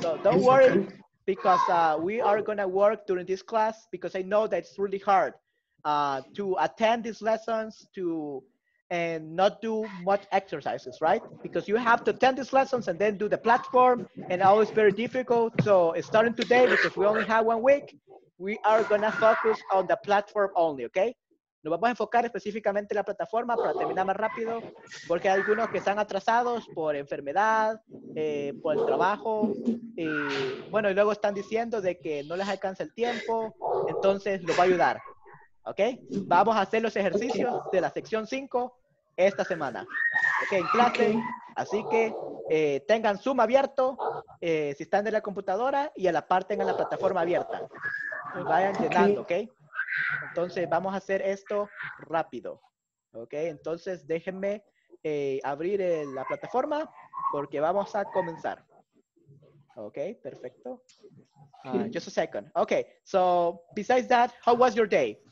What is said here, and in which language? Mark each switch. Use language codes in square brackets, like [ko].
[en] So don't worry, because we are going to work during this class, because I know that it's really hard to attend these lessons and not do much exercises, right? Because you have to attend these lessons and then do the platform, and always very difficult. So starting today, because we only have 1 week, we are going to focus on the platform only, okay? [es] Nos vamos a enfocar específicamente en la plataforma para terminar más rápido, porque hay algunos que están atrasados por enfermedad, por el trabajo, y bueno, y luego están diciendo de que no les alcanza el tiempo, entonces los va a ayudar, ¿ok? Vamos a hacer los ejercicios de la sección 5 esta semana, ¿ok? En clase, así que tengan Zoom abierto, si están en la computadora, y a la par tengan la plataforma abierta, y vayan llenando, ¿ok? Entonces, vamos a hacer esto rápido, ¿ok? Entonces, déjenme abrir la plataforma porque vamos a comenzar, ¿ok? [en] Perfecto. Just a second. Ok, so, besides that, how was your day?